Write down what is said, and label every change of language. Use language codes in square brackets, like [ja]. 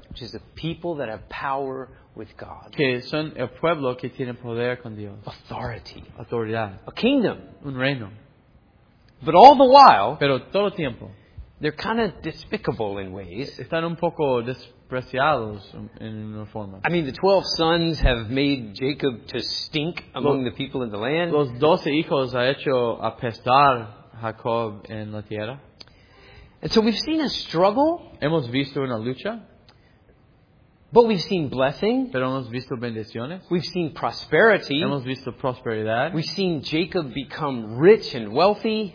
[en] Which is a people that have power with God. [es] Que son el pueblo que tiene poder con Dios. [en] Authority. [es] Autoridad. [en] A kingdom. [es] Un reino. [en] But all the while, [es] pero todo tiempo, [en] they're kind of despicable in ways. [es] Están un poco despreciados en una forma. [en] I mean, the 12 sons have made Jacob to stink among the people in the land. [es] Los 12 hijos ha hecho apestar Jacob en la tierra. [en] And so we've seen a struggle. [es] Hemos visto una lucha. [en] But we've seen blessing. [es] Pero hemos visto bendiciones. [en] We've seen prosperity. [es] Hemos visto prosperidad. [en] We've seen Jacob become rich and wealthy.